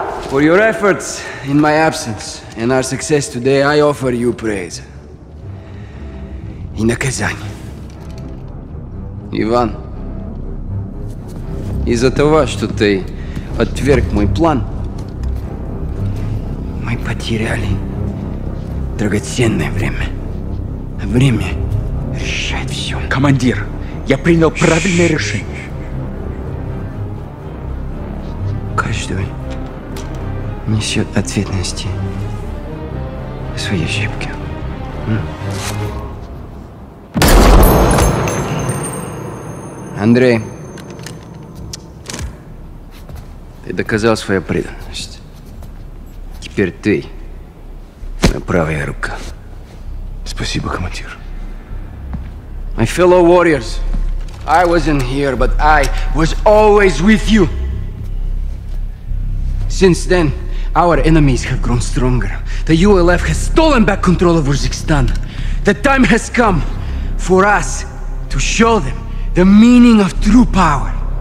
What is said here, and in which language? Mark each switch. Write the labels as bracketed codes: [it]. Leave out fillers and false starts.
[en] For your efforts in my absence and our success today, I offer you praise. In the Kazan. [ru] Иван, из-за того, что ты отверг мой план, мы потеряли драгоценное время. Время решает все. Командир, я принял правильное решение. Каждый несет ответственности за свои ошибки. Андрей, ты доказал свою преданность. Теперь ты моя правая рука. Спасибо, командир. [en] My fellow warriors, I wasn't here, but I was always with you. Since then, our enemies have grown stronger. The ULF has stolen back control of Uzbekistan. The time has come for us to show them the meaning of true power.